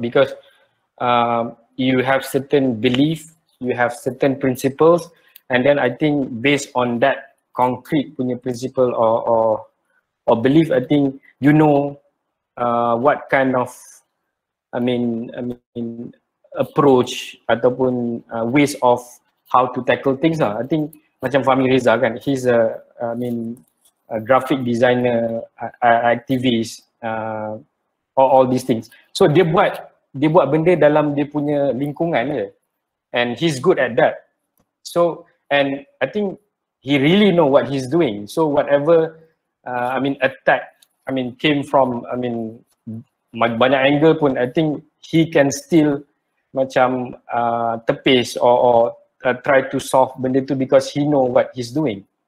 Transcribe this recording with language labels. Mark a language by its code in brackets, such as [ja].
[en] Because you have certain belief, you have certain principles, and then I think based on that concrete punya principle or belief, I think you know what kind of, I mean approach ataupun ways of how to tackle things lah. I think macam Fahmi Reza kan, he's a graphic designer, activist, all these things. [ms] So dia buat benda dalam dia punya lingkungan je. [en] And he's good at that. So, and I think he really know what he's doing. So whatever, attack came from [ms] banyak angle pun, [en] I think he can still [ms] macam tepis [en] or try to solve [ms] benda tu [en] because he know what he's doing.